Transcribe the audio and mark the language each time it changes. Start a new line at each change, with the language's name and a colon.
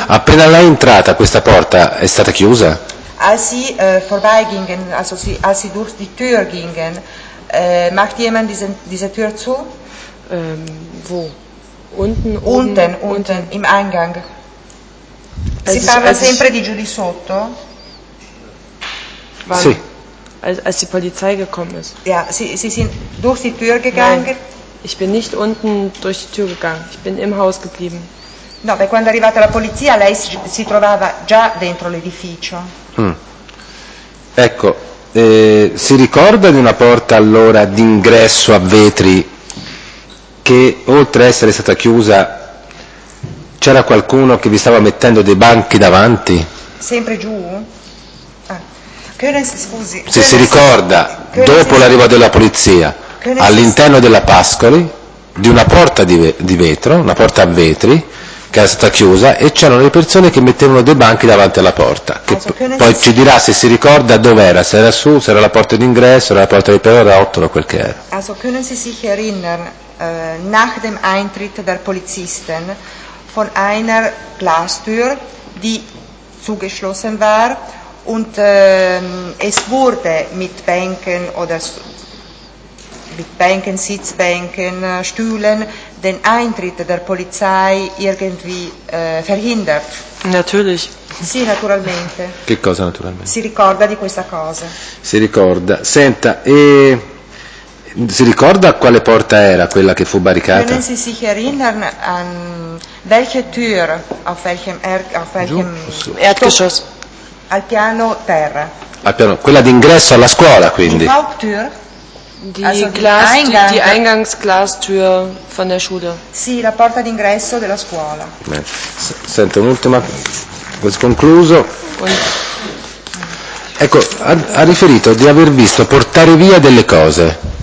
Italian: Appena lei è entrata, questa porta è stata chiusa?
German: Als sie vorbeigingen, also sie, als sie durch die Tür gingen, macht jemand diese Tür zu? Wo? Unten, unten, im Eingang. Sie fahren
Italian: sempre di giù di sotto?
German: Wann?
Italian: Sì.
German: Als die Polizei gekommen ist. Ja, sie sind durch die Tür gegangen? Nein, ich bin nicht unten durch die Tür gegangen. Ich bin im Haus geblieben.
Italian: No, beh, quando è arrivata la polizia, lei si trovava già dentro l'edificio. Ecco, si ricorda di una porta allora d'ingresso a vetri che oltre a essere stata chiusa c'era qualcuno che vi stava mettendo dei banchi davanti? Sempre giù?
German: Können Sie,
Italian: scusi, se si ricorda, dopo l'arrivo della polizia, all'interno della Pascoli, di una porta di vetro, una porta a vetri, che era stata chiusa, e c'erano le persone che mettevano dei banchi davanti alla porta, che poi ci dirà se si ricorda dov'era, se era su, se era la porta d'ingresso, era la porta di Pedro Rotto o quel che era.
German: Also können Sie sich erinnern, nach dem Eintritt der Polizisten, von einer Glastür, die zugeschlossen war, und es wurde mit Bänken oder mit Bänken, Sitzbänken, Stühlen den Eintritt der Polizei irgendwie verhindert. Natürlich.
Italian: Sì, naturalmente. Che cosa naturalmente? Si ricorda di questa cosa. Si ricorda. Senta, e si ricorda quale porta era quella che fu barricata?
German: Können Sie sich erinnern an welche Tür auf welchem Erdgeschoss?
Italian: Al piano terra. Al piano, quella d'ingresso alla scuola, quindi.
German: Haupttür. Die Eingangsglastür von der Schule.
Italian: Sì, la porta d'ingresso della scuola. Sento un'ultima, questo concluso. Ecco, ha riferito di aver visto portare via delle cose.